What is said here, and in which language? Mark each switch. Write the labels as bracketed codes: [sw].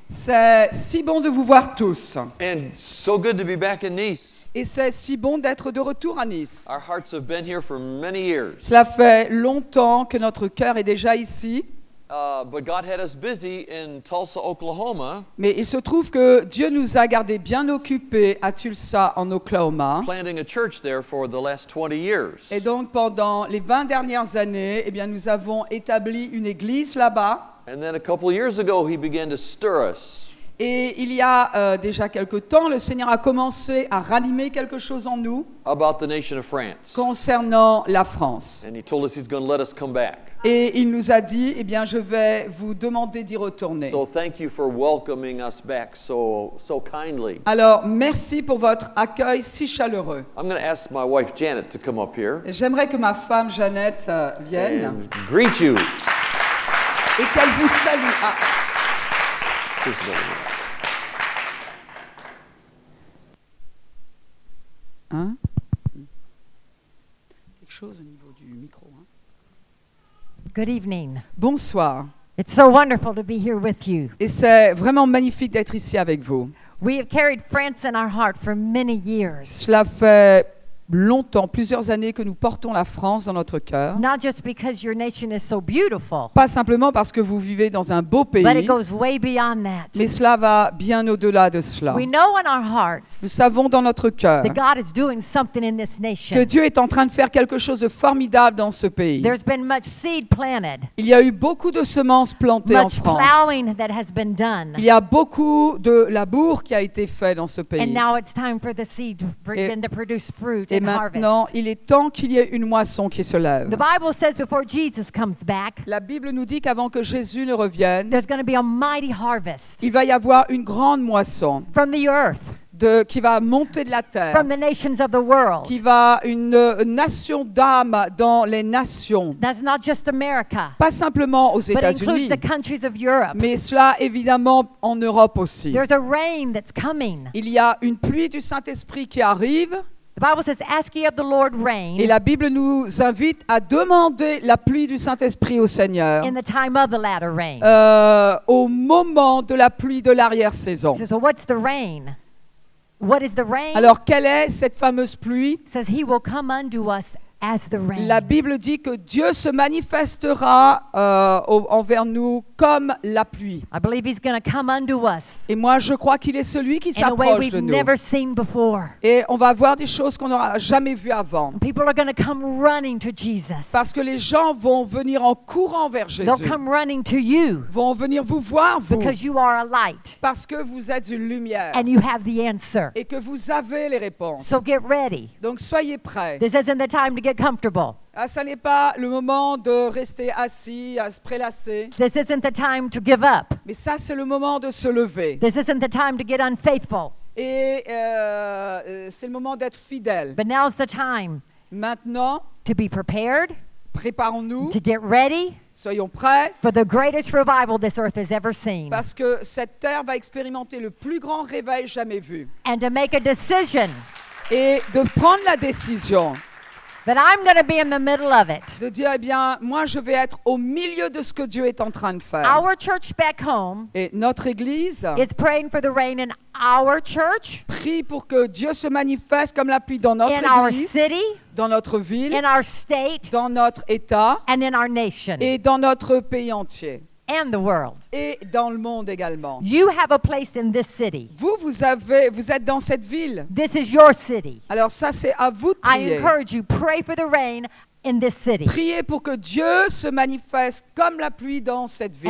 [fr] C'est si bon de vous voir tous. [en] And so good to be back in Nice. [fr] Et c'est si bon d'être de retour à Nice. [en] Our hearts have been here for many years. [fr] Cela fait longtemps que notre cœur est déjà ici. [en] But God had us busy in Tulsa, Oklahoma. [fr] Mais il se trouve que Dieu nous a gardés bien occupés à Tulsa, en Oklahoma. [en] Planting a church there for the last 20 years. [fr] Et donc pendant les 20 dernières années, eh bien nous avons établi une église là-bas. [en] And then a couple of years ago, he began to stir us. [fr] Et il y a déjà quelque temps, le Seigneur a commencé à ranimer quelque chose en nous. [en] About the nation of France. [fr] Concernant la France. [en] And he told us he's going to let us come back. [fr] Et il nous a dit, eh bien, je vais vous demander d'y retourner. [en] So thank you for welcoming us back so kindly. [fr] Alors, merci pour votre accueil si chaleureux. [en] I'm going to ask my wife Janet to come up here. [fr] J'aimerais que ma femme Janet vienne. [en] And greet you. [fr] Et qu'elle vous salue. Hein? Quelque chose au niveau du micro. Hein? [en] Good evening. [fr] Bonsoir. [en] It's so wonderful to be here with you. [fr] Et c'est vraiment magnifique d'être ici avec vous. [en] We have carried France in our heart for many years. [fr] Cela fait longtemps, plusieurs années que nous portons la France dans notre cœur. [en] Not just because your nation is so beautiful. [fr] Pas simplement parce que vous vivez dans un beau pays. [en] But it goes way beyond that. [fr] Mais cela va bien au-delà de cela. [en] We know in our hearts. [fr] Nous savons dans notre cœur. [en] That God is doing something in this nation. [fr] Que Dieu est en train de faire quelque chose de formidable dans ce pays. [en] There's been much seed planted. [fr] Il y a eu beaucoup de semences plantées [en] much [fr] en France. [en] Much plowing that has been done. [fr] Il y a beaucoup de labour qui a été fait dans ce pays. [en] And now it's time for the seed to produce fruit. [fr] Et maintenant, il est temps qu'il y ait une moisson qui se lève. [en] The Bible says before Jesus comes back, [fr] la Bible nous dit qu'avant que Jésus ne revienne, [en] there's going to be a mighty harvest. [fr] Il va y avoir une grande moisson. [en] From the earth. [fr] Qui va monter de la terre, [en] from the nations of the world. [fr] Qui va une nation d'âme dans les nations. [en] That's not just America, [fr] pas simplement aux États-Unis, [en] but includes the countries of Europe. [fr] Mais cela évidemment en Europe aussi. [en] There's a rain that's coming. [fr] Il y a une pluie du Saint-Esprit qui arrive. [en] The Bible says, "Ask ye of the Lord rain." [fr] Et la Bible nous invite à demander la pluie du Saint-Esprit au Seigneur. [en] In the time of the latter rain. [fr] Au moment de la pluie de l'arrière-saison. [en] So what's the rain? What is the rain? [fr] Alors quelle est cette fameuse pluie? [en] It says he will come unto us as the rain. [fr] La Bible dit que Dieu se manifestera envers nous comme la pluie. [en] I believe he's going to come unto us. [fr] Et moi, je crois qu'il est celui qui s'approche de nous. [en] In a way we've never seen before. [fr] Et on va voir des choses qu'on n'aura jamais vues avant. [en] People are going to come running to Jesus. [fr] Parce que les gens vont venir en courant vers Jésus. [en] They'll come running to you. [fr] Vont venir vous voir vous. [en] Because you are a light. [fr] Parce que vous êtes une lumière. [en] And you have the answer. [fr] Et que vous avez les réponses. [en] So get ready. [fr] Donc soyez prêts. [en] This isn't the time to get comfortable. [fr] Ah, ça n'est pas le moment de rester assis, à se prélasser. [en] This isn't the time to give up. [fr] Mais ça, c'est le moment de se lever. [en] This isn't the time to get unfaithful. [fr] Et c'est le moment d'être fidèle. [en] But now's the time. [fr] Maintenant. [en] To be prepared. [fr] Préparons-nous. [en] To get ready. [fr] Soyons prêts. [en] For the greatest revival this earth has ever seen. [fr] Parce que cette terre va expérimenter le plus grand réveil jamais vu. [en] And to make a decision. [fr] Et de prendre la décision. [en] That I'm going to be in the middle of it. [fr] De dire, eh bien, moi, je vais être au milieu de ce que Dieu est en train de faire. [en] Our church back home. [fr] Et notre église. [en] Is praying for the rain in our church. [fr] Prie pour que Dieu se manifeste comme la pluie dans notre [en] in [fr] église. [en] In our city. [fr] Dans notre ville. [en] In our state. [fr] Dans notre état. [en] And in our nation. [fr] Et dans notre pays entier. [en] And the world. [fr] Et dans le monde également. [en] You have a place in this city. [fr] Vous êtes dans cette ville. [en] This is your city. [fr] Alors ça, c'est à vous de prier. [en] I encourage you, pray for the rain in this city. [fr] Priez pour que Dieu se manifeste comme la pluie dans cette ville.